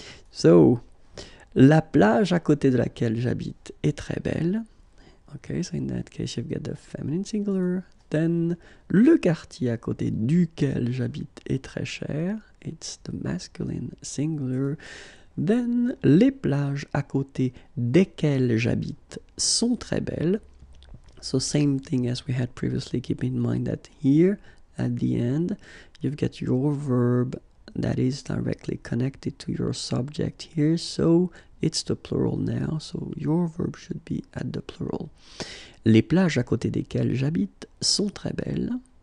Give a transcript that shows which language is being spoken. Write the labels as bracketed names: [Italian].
[French] So, la plage à côté de laquelle j'habite est très belle. [English] Okay, so in that case, you've got the feminine singular. [French] Then, le quartier à côté duquel j'habite est très cher. [English] It's the masculine singular. Then, [French] les plages à côté desquelles j'habite sont très belles. [English] So, same thing as we had previously. Keep in mind that here, at the end, you've got your verb that is directly connected to your subject here. So, it's the plural now, so your verb should be at the plural. [French] Les plages à côté desquelles j'habite sont très belles.